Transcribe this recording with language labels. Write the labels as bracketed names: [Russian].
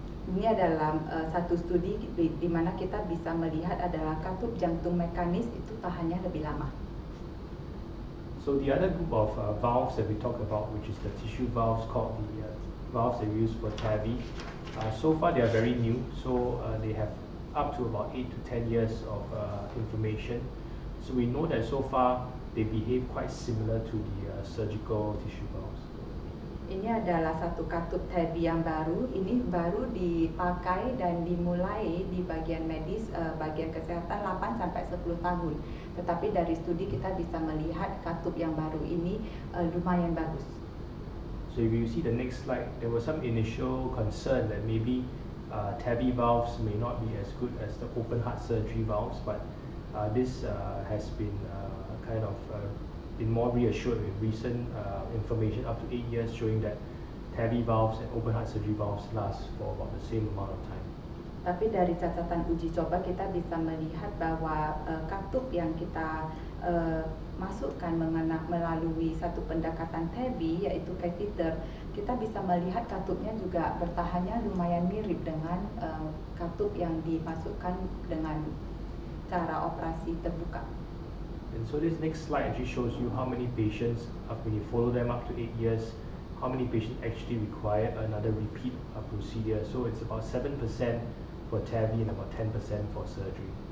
[Indonesian] Ini adalah satu studi di mana kita bisa melihat adalah katup jantung mekanis itu tahannya lebih lama. [English] So the other group of valves that we talk about, which is the tissue valves called the valves that we use for TAVI, so far they are very new, so they have up to about 8 to 10 years of information. So we know that so far they behave quite similar to the surgical tissue valves. [Indonesian] Ini adalah satu katup TAVI yang baru. Ini baru dipakai dan dimulai di bagian medis, bagian kesehatan 8 sampai 10 tahun. Tetapi dari studi kita bisa melihat katup yang baru ini lumayan bagus. [English] So if you see the next slide, there was some initial concern that maybe TAVI valves may not be as good as the open heart surgery valves, but this has been kind of been more reassured with recent information up to 8 years showing that TAVI valves and open heart surgery valves last for about the same amount of time. [Indonesian] Tapi dari catatan uji coba kita bisa melihat bahwa katup yang kita masukkan melalui satu pendekatan TAVI yaitu catheter, kita bisa melihat katupnya juga bertahannya lumayan mirip dengan katup yang dimasukkan dengan cara operasi terbuka. [English] And so this next slide actually shows you how many patients, after you follow them up to 8 years, how many patients actually require another repeat procedure. So it's about 7% for TAVI and about 10% for surgery.